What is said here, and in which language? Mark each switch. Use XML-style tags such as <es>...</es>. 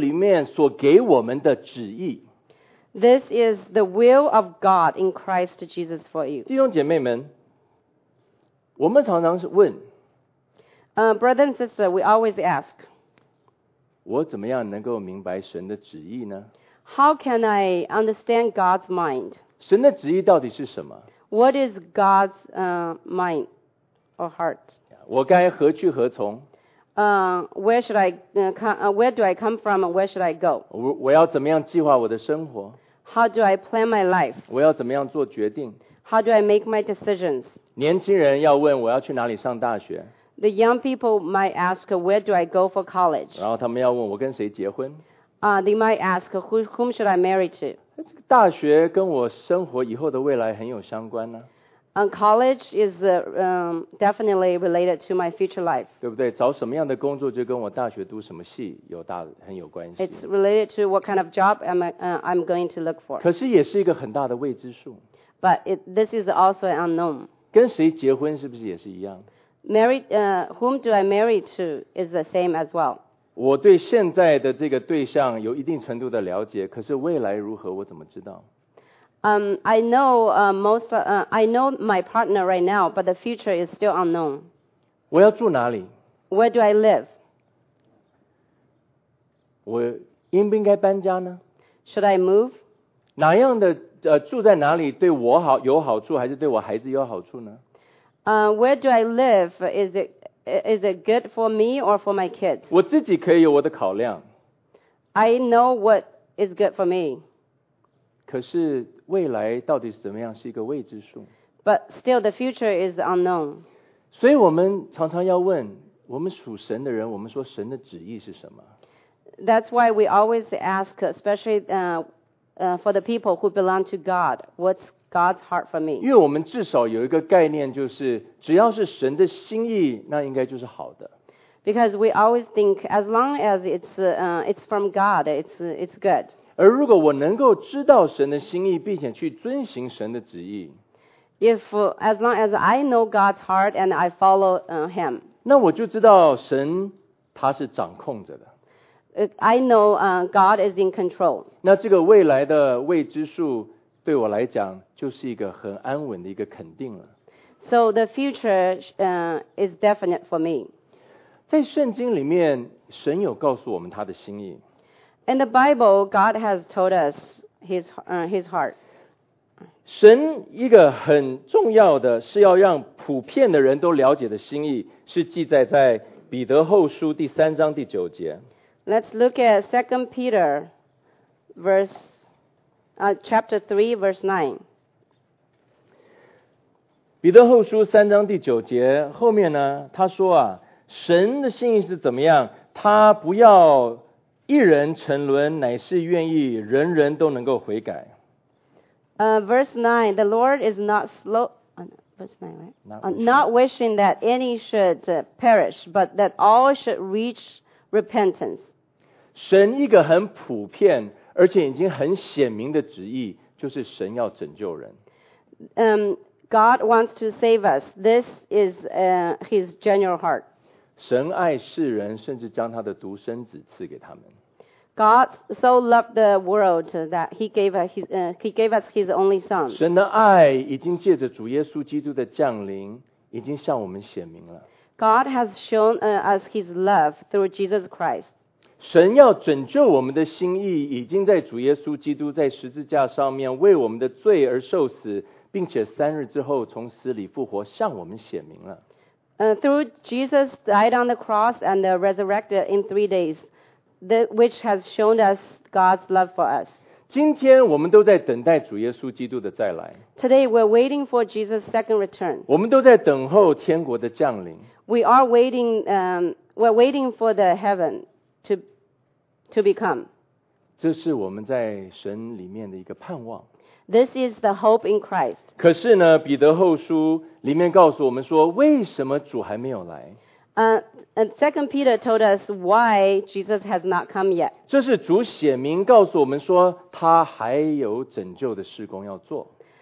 <zh>这是神在基督耶稣里面所给我们的旨意。</zh> <en>This is the will of God in Christ Jesus for you.</en> <zh>弟兄姐妹们，我们常常是问，</zh> <en>Brother and sister, we always ask,</en> <zh>我怎么样能够明白神的旨意呢？</zh> <en>How can I understand God's mind?</en> <zh>神的旨意到底是什么？</zh> <en>What is God's mind or heart?</en> <zh>我该何去何从？</zh> <en>Where do I come from and where should I go?</en> <zh>我要怎么样计划我的生活？</zh> <en>How do I plan my life?</en> <zh>我要怎么样做决定?</zh> <en>How do I make my decisions?</en> <zh>年轻人要问我要去哪里上大学?</zh> <en>The young people might ask, where do I go for college?</en> <zh>然后他们要问我跟谁结婚?</zh> <en>They might ask, whom should I marry to?</en> <zh>这个大学跟我生活以后的未来很有相关呢。</zh> <en>College is definitely related to my future life.</en> <zh>对不对？找什么样的工作就跟我大学读什么系有大很有关系。</zh> <en>It's related to what kind of job I'm going to look for.</en> <zh>可是也是一个很大的未知数。</zh> <en>But this is also an unknown.</en> <zh>跟谁结婚是不是也是一样？</zh> <en>Married, whom do I marry to is the same as well.</en> <zh>我对现在的这个对象有一定程度的了解，可是未来如何，我怎么知道？</zh> <en>I know my partner right now, but the future is still unknown.</en> <zh>我要住哪里？</zh> <en>Where do I live?</en> <zh>我应不应该搬家呢？</zh> <en>Should I move?</en> <zh>哪样的住在哪里对我好有好处，还是对我孩子有好处呢？</zh> <en>Where do I live? Is it good for me or for my kids?</en> <zh>我自己可以有我的考量。</zh> <en>I know what is good for me.</en> <zh>可是未来到底是怎么样，是一个未知数。</zh> <en>But still, the future is unknown.</en> <zh>所以我们常常要问，我们属神的人，我们说神的旨意是什么？</zh> <en>That's why we always ask, especially for the people who belong to God, what's God's heart for me?</en> <zh>因为我们至少有一个概念，就是只要是神的心意，那应该就是好的。</zh> <en>Because we always think, as long as it's from God, it's good.</en> <zh>而如果我能够知道神的心意，并且去遵行神的旨意，</zh> <en>If as long as I know God's heart and I follow Him,</en> <zh>那我就知道神他是掌控着的。</zh> <en>I know God is in control.</en> <zh>那这个未来的未知数对我来讲就是一个很安稳的一个肯定了。</zh> <en>So the future is definite for me.</en> <zh>在圣经里面，神有告诉我们他的心意。</zh> <en>In the Bible, God has told us his heart.</en> <zh>神一个很重要的是要让普遍的人都了解的心意，是记载在彼得后书第三章第九节。</zh> <en>Let's look at 2 Peter chapter 3, verse 9.</en> <zh>彼得后书三章第九节，后面呢，他说啊，神的心意是怎么样？他不要一人沉沦，乃是愿意人人都能够悔改。</zh> <en>Verse 9, the Lord is not slow. Not wishing that any should perish, but that all should reach repentance.</en> <zh>神一个很普遍，而且已经很显明的旨意，就是神要拯救人。</zh> <en>God wants to save us. This is His general heart.</en> <zh>神爱世人，甚至将他的独生子赐给他们。</zh> <en>God so loved the world that He gave us His only Son.</en> <zh>神的爱已经借着主耶稣基督的降临，已经向我们显明了。</zh> <en>God has shown us His love through Jesus Christ.</en> <zh>神要拯救我们的心意，已经在主耶稣基督在十字架上面为我们的罪而受死，并且三日之后从死里复活，向我们显明了。</zh> <en>Through Jesus died on the cross and resurrected in 3 days. Which has shown us God's love for us.</en> <zh>今天我们都在等待主耶稣基督的再来。</zh> <en>Today we're waiting for Jesus' second return.</en> <zh>我们都在等候天国的降临。</zh> <en>We are waiting, we're waiting for the heaven to become.</en> <zh>这是我们在神里面的一个盼望。</zh> <en>This is the hope in Christ.</en> <zh>可是呢，彼得后书里面告诉我们说，为什么主还没有来？</zh> <en>And 2 Peter told us why Jesus has not come yet.</en> <zh>这是主显明告诉我们说他还有拯救的事工要做。</zh>